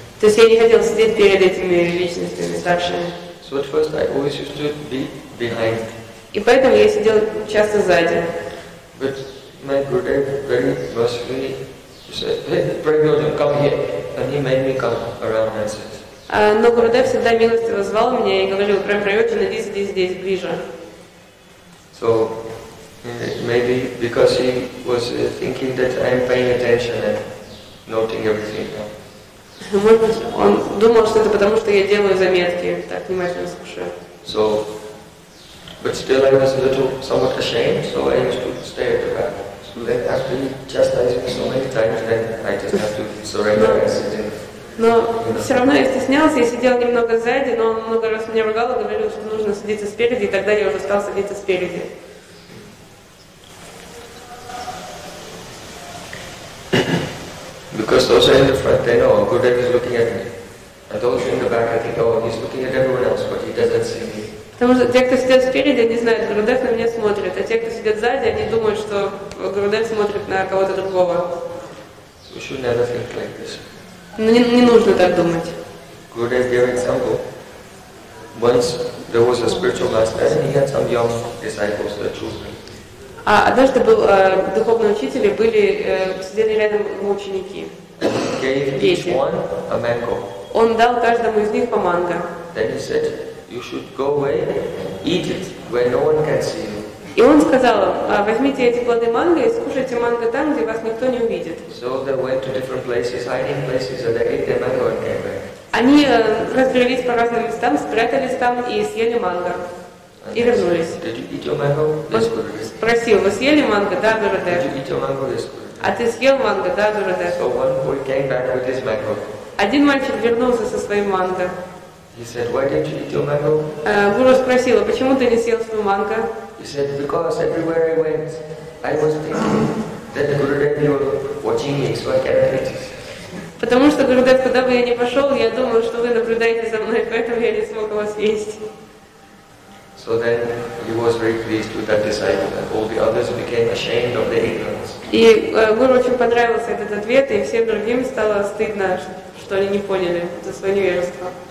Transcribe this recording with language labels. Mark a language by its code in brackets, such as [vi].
[ru] То есть я не хотел сидеть перед этими личностями старшими. [en] So at first I always used to be behind. [ru] И поэтому я сидел часто сзади. [en] But my Gurudev very mercifully said, "Hey, Pragyodam, come here," and he made me come around and sit. [ru] Но Гурудев всегда милостиво звал меня и говорил, прям пройдешь, иди здесь ближе. [en] So maybe because he was thinking that I am paying attention and noting everything. [ru] Может быть, он думал, что это потому, что я делаю заметки, так внимательно слушаю. [en] So, but still I was a little somewhat ashamed, so I used to stay at the back. So then after chastising me so many times, then I just have to surrender and sit in. [ru] Но все равно я стеснялся, я сидел немного сзади, но он много раз меня ругал и говорил, что нужно садиться спереди, и тогда я уже стал садиться спереди. [en] Because those in the front, they know Gurudev is looking at me. And those in the back, I think, oh, he's looking at everyone else, but he doesn't see me. [ru] Потому что те, кто сидят спереди, они знают, Гурудев на меня смотрит, а те, кто сидят сзади, они думают, что Гурудев смотрит на кого-то другого. [en] We should never think like this. [ru] Не нужно так думать. [en] Gurudev gave example. Once there was a spiritual master and he had some young disciples, the children. [ru] Однажды был духовный учитель, были сидели рядом ученики. [en] Gave each one a mango. [ru] Он дал каждому из них по манго. [en] Then he said, "You should go away, eat it where no one can see you." [ru] И он сказал, возьмите эти плоды манго и скушайте манго там, где вас никто не увидит. [en] So they went to different places, hiding places, and they ate the mango and came back. [ru] Они разбрелись по разным местам, спрятались там и съели манго. И вернулись. [en] Did you eat your mango? [ru] Yes, спросил, вы съели манго? Да, Дурадэ. [en] Did you eat your mango? Yes, [ru] а ты съел манго? Да, Дурадэ. [en] So one boy came back with his mango. [ru] Один мальчик вернулся со своим манго. [en] He said, why didn't you eat your mango? [ru] Гуру спросила, почему ты не съел свою манго? [en] He said, because everywhere I went, I was thinking that the Gurudev was watching me, so I can't eat. [ru] Потому что, Гурудев, куда бы я ни пошел, я думал, что вы наблюдаете за мной, поэтому я не смог вас есть. [en] So then he was very pleased with that disciple, and all the others became ashamed of their ignorance. [ru] И Гуру очень понравился этот ответ, и всем другим стало стыдно, что они не поняли за свое неверство.